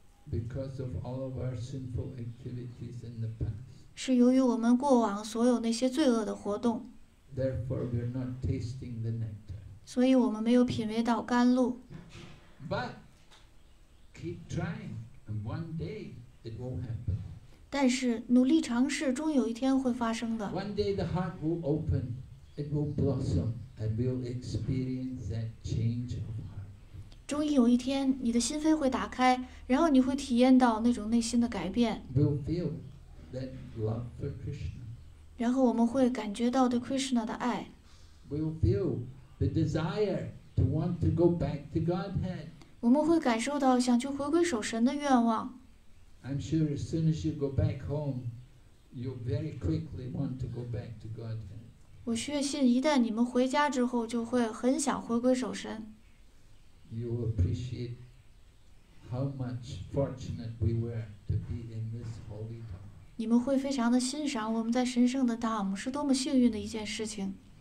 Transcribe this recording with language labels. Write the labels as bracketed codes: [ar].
[en] Because of all of our sinful activities in the past. [zh] 是由于我们过往所有那些罪恶的活动。 [en] Therefore, we are not tasting the nectar. [zh] 所以我们没有品味到甘露。 [en] But keep trying. And one day it will happen. [zh] 但是努力尝试终有一天会发生的。 [en] One day the heart will open, it will blossom, and we'll experience that change of heart. [zh] 终于有一天，你的心扉会打开，然后你会体验到那种内心的改变。 [en] We'll feel that love for Krishna. [zh] 然后我们会感觉到对 Krishna 的爱。 [en] We'll feel the desire to want to go back to Godhead. [zh] 我们会感受到想去回归守神的愿望。 [en] I'm sure as soon as you go back home, you'll very quickly want to go back to Godhead. [zh] 我确信一旦你们回家之后，就会很想回归守神。 [en] You will appreciate how much fortunate we were to be in this holy dhamma. [zh] 你们会非常的欣赏我们在神圣的 dhamma 是多么幸运的一件事情。